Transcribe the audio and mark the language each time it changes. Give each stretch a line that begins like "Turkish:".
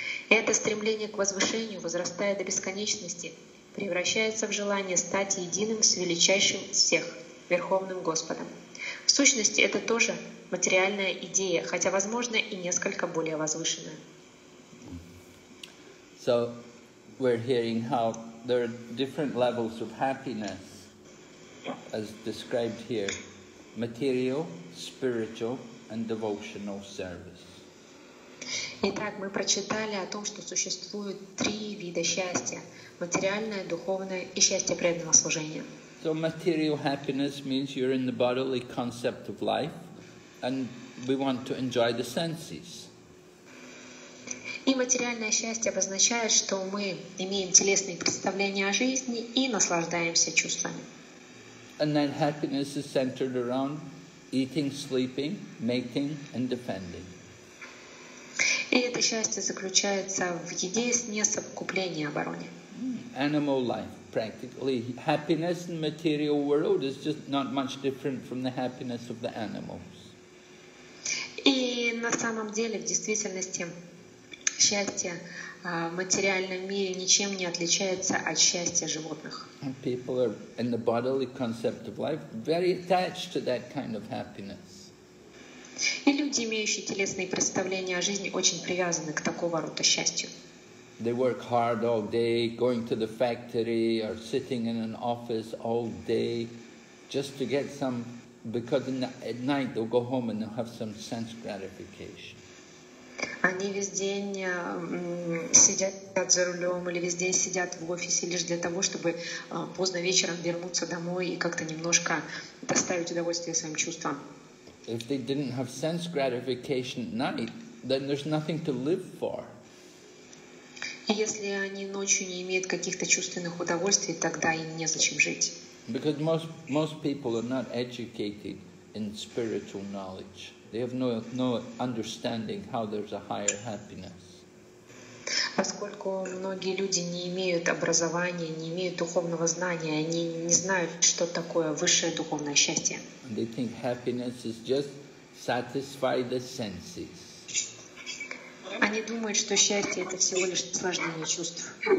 Russian: Это стремление к возвышению возрастает до бесконечности, превращается в желание стать единым с величайшим из всех, Верховным Господом. В сущности, это тоже материальная идея, хотя, возможно, и несколько более возвышенная.
English: So, we're hearing how there are different levels of happiness, as described here, material, spiritual, and devotional service.
Russian: Итак, мы прочитали о том, что существует три вида счастья: материальное, духовное и счастье преданного служения.
English: So material happiness means you're in the bodily concept of life, and we want to enjoy the senses.
Russian: И материальное счастье обозначает, что мы имеем телесные представления о жизни и наслаждаемся чувствами.
English: And then happiness is centered around eating, sleeping, mating, and defending.
Russian: И это счастье заключается в еде, сне, совокуплении, обороне.
English: Animal life. Practically, happiness in the material world is just not much different from the happiness of the animals.
Russian: И на самом деле, в действительности, счастье в материальном мире ничем не отличается от счастья животных.
English: And people are in the bodily concept of life very attached to that kind of happiness.
Russian: И люди, имеющие телесные представления о жизни, очень привязаны к такого рода счастью.
English: They work hard all day, going to the factory or sitting in an office all day just to get some, because at night they'll go home and they'll have some sense gratification.
Russian: Они весь день сидят за рулем или весь день сидят в офисе лишь для того, чтобы поздно вечером вернуться домой и как-то немножко доставить удовольствие своим чувствам.
English: If they didn't have sense gratification at night, then there's nothing to live for.
Russian: Если они ночью не имеют каких-то чувственных удовольствий, тогда им незачем жить.
English: Because most people are not educated in spiritual knowledge. They have no understanding how there's a higher happiness.
Russian: Поскольку многие люди не имеют образования, не имеют духовного знания, они не знают, что такое высшее духовное счастье.
English: And they think happiness is just satisfy the senses.
Russian: Они думают, что счастье – это всего лишь наслаждение чувств.